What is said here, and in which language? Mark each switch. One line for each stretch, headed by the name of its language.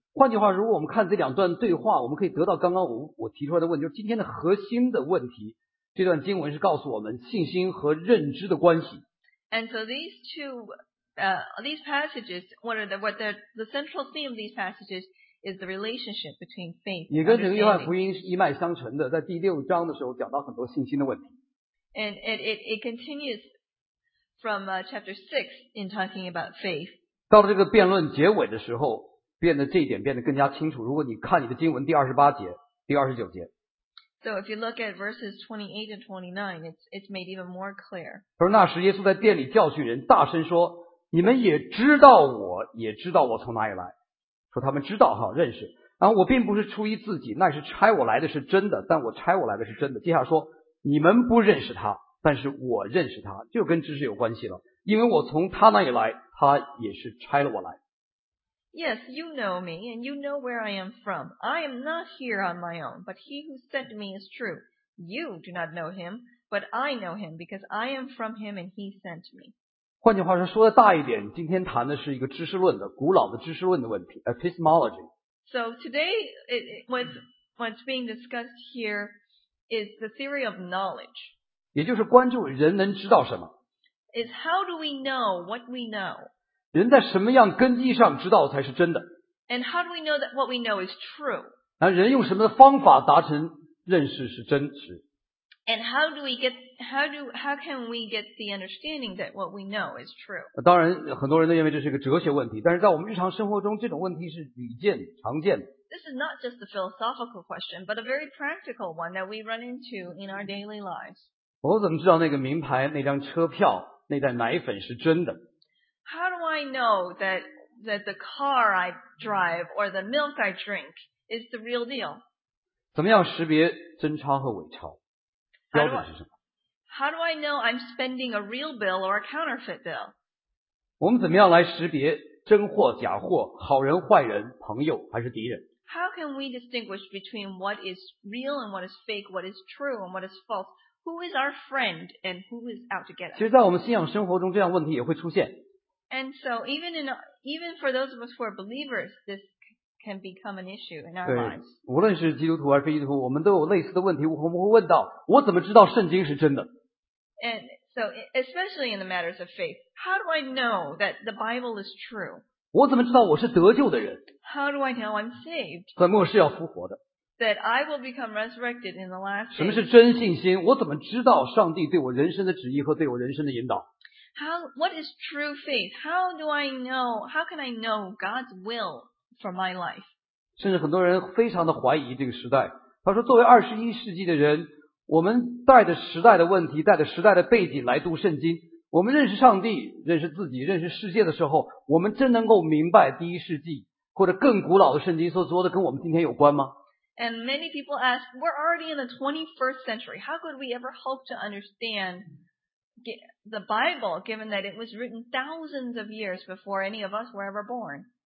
Chinese: 换句话，如果我们看这两段对话，我们可以得到刚刚我提出来的问题，就是今天的核心的问题。这段经文是告诉我们信心和认知的关系。
English: And so these two these passages, what the central theme of these passages is the relationship between faith and understanding.
Chinese: 也跟整个约翰福音一脉相承的, 在第六章的时候讲到很多信心的问题。
English: And it continues from chapter 6 in talking about faith.
Chinese: 到了这个辩论结尾的时候, 变得这一点变得更加清楚, 如果你看你的经文第 28节, 第 29节。
English: So if you look at verses 28 and 29, it's made even more clear.
Chinese: 说那时耶稣在殿里教训人，大声说， 你们也知道我， 也知道我从哪里来。说他们知道哈， 认识。然后我并不是出于自己， 那是差我来的是真的， 但我差我来的是真的。接下来说， 你们不认识他， 但是我认识他， 就跟知识有关系了。因为我从他那里来， 他也是差了我来。
English: Yes, you know me, and you know where I am from. I am not here on my own, but he who sent me is true. You do not know him, but I know him, because I am from him and he sent me.
Chinese: 换句话说, 说得大一点, 今天谈的是一个知识论的, 古老的知识论的问题, epistemology.
English: So today, what's being discussed here is the theory of knowledge.
Chinese: 也就是关注人能知道什么。
English: Is how do we know what we know?
Chinese: 人在什么样根基上知道才是真的？
English: And how do we know that what we know is true?
Chinese: 然后人用什么方法达成认识是真实？
English: And how can we get the understanding that what we know is true?
Chinese: 当然很多人都认为这是一个哲学问题， 但是在我们日常生活中这种问题是屡见常见的。
English: This is not just a philosophical question, but a very practical one that we run into in our daily lives.
Chinese: 我怎么知道那个名牌那张车票那袋奶粉是真的？
English: How do I know that the car I drive or the milk I drink is the real deal?
Chinese: 怎么样识别真钞和伪钞?标准是什么?
English: How do I know I'm spending a real bill or a counterfeit bill?
Chinese: 我们怎么样来识别真货假货, 好人坏人, 朋友还是敌人?
English: How can we distinguish between what is real and what is fake, what is true and what is false? Who is our friend and who is out to get us?
Chinese: 其实在我们信仰生活中这样问题也会出现。
English: And so even for those of us who are believers, this can become an issue in our lives.
Chinese: 无论是基督徒还是非基督徒, 我们都有类似的问题, 我们会问到, 我怎么知道圣经是真的?
English: And so especially in the matters of faith, how do I know that the Bible is true?
Chinese: 我怎么知道我是得救的人?
English: How do I know I'm saved?
Chinese: 在末世要复活的。
English: That I will become resurrected in the last day.
Chinese: 什么是真信心? 我怎么知道上帝对我人生的旨意和对我人生的引导?
English: What is true faith? How can I know God's will for my life?
Chinese: 甚至很多人非常的怀疑这个时代。他说作为21世纪的人, 我们带着时代的问题, 带着时代的背景来读圣经, 我们认识上帝, 认识自己, 认识世界的时候, 我们真能够明白第一世纪, 或者更古老的圣经所说的跟我们今天有关吗?
English: And many people ask, we're already in the 21st century. How could we ever hope to understand the Bible, given that it was written thousands of years before any of us were ever born?